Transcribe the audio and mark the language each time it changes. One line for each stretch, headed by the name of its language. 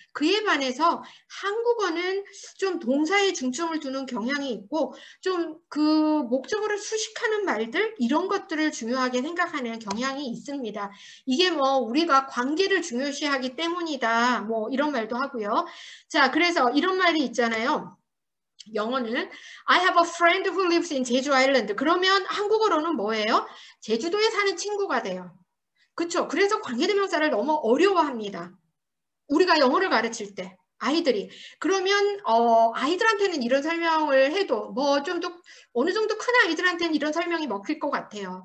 Korean: 그에 반해서 한국어는 좀 동사에 중점을 두는 경향이 있고 좀그 목적어를 수식하는 말들 이런 것들을 중요하게 생각하는 경향이 있습니다. 이게 뭐 우리가 관계를 중요시하기 때문이다. 뭐 이런 말도 하고요. 자, 그래서 이런 말이 있잖아요. 영어는
English: I have a friend who lives in Jeju Island.
Korean: 그러면 한국어로는 뭐예요? 제주도에 사는 친구가 돼요. 그렇죠. 그래서 관계대명사를 너무 어려워합니다. 우리가 영어를 가르칠 때 아이들이 그러면 아이들한테는 이런 설명을 해도 뭐좀더 어느 정도 큰 아이들한테는 이런 설명이 먹힐 것 같아요.